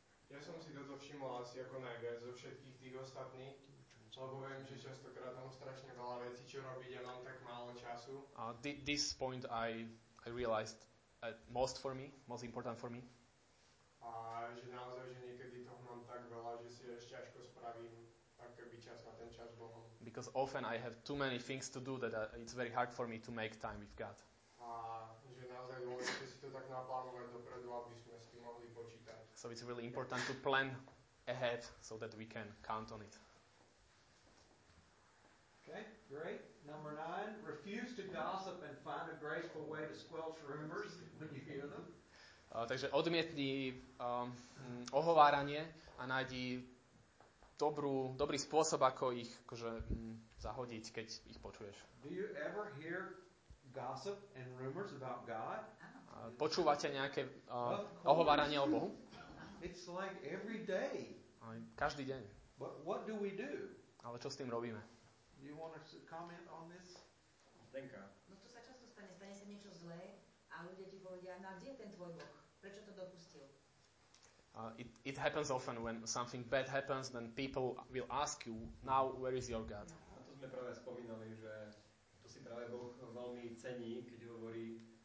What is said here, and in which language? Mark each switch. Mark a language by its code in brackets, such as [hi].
[sk] Ja som si toto všimol asi ako najviac zo všetkých tých ostatných, lebo viem, že častokrát mám strašne veľa vecí, čo robiť a mám tak málo času. [en] This point I realized most important for me. [sk] A že naozaj, že niekedy toho mám tak veľa, že si ešte ťažko spravím akoby čas na ten čas Bohom. [en] Because often I have too many things to do that it's very hard for me to make time with God. [sk] A že naozaj dôležite si to tak naplánovať dopredu, aby sme s tým mohli počítať. [en] So it's really important to plan ahead so that we can count on it. Okay, great. Number 9, refuse to gossip and find a graceful way to squelch rumors when you hear them. [sk] Takže odmietni ohováranie a nájdi dobrý spôsob, ako ich zahodiť, keď ich počuješ. [en] Do you ever hear gossip and rumors about God? [sk] Počúvate nejaké ohováranie o Bohu? [en] It's like every day. [sk] Každý deň. [en] But what do we do? [sk] Ale čo s tým robíme? [en] Do you want to comment on this? Denka. [sk] No to sa často stane sa niečo zlé a ľudia ti povedia, no kde je ten tvoj Boh? Prečo to dopustil? [en] It happens often when something bad happens, then people will ask you, now where is your God? [sk] A to sme práve spomínali, že to si práve Boh veľmi cení, keď hovorí,